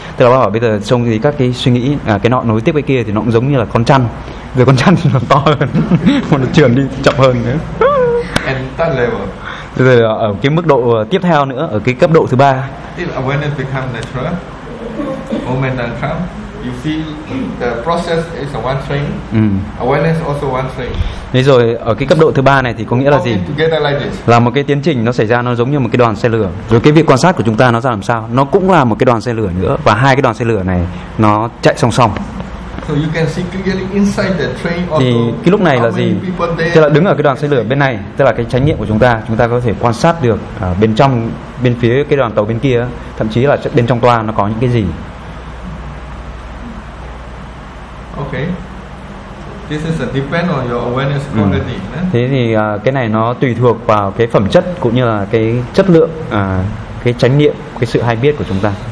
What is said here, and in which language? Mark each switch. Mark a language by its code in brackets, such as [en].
[vi] Tức là bác bảo bây giờ trông thì các cái suy nghĩ cái nọ nối tiếp cái kia thì nó cũng giống như là con chăn. Rồi con chăn thì nó to hơn, còn nó trườn đi chậm hơn nữa. [en] And that level. [vi] Rồi ở cái mức độ tiếp theo nữa, ở cái cấp độ thứ ba. [en] If awareness become natural, moment and come, you feel the process is a one thing. Awareness also one thing. [vi] Thế rồi ở cái cấp độ thứ ba này thì có nghĩa là gì? [en] Like [vi] là một cái tiến trình nó xảy ra nó giống như một cái đoàn xe lửa. Rồi cái việc quan sát của chúng ta nó ra làm sao? Nó cũng là một cái đoàn xe lửa nữa, và hai cái đoàn xe lửa này nó chạy song song. [en] So you can see clearly inside the train. [vi] Thì cái lúc này là gì? Tức là đứng ở cái đoàn xe lửa bên này, tức là cái chánh niệm của chúng ta có thể quan sát được ở bên trong, bên phía cái đoàn tàu bên kia, thậm chí là bên trong toa nó có những cái gì. [en] Okay. This is a depend on your awareness quality. [vi] Thế thì cái này nó tùy thuộc vào cái phẩm chất cũng như là cái chất lượng cái chánh niệm, cái sự hay biết của chúng ta.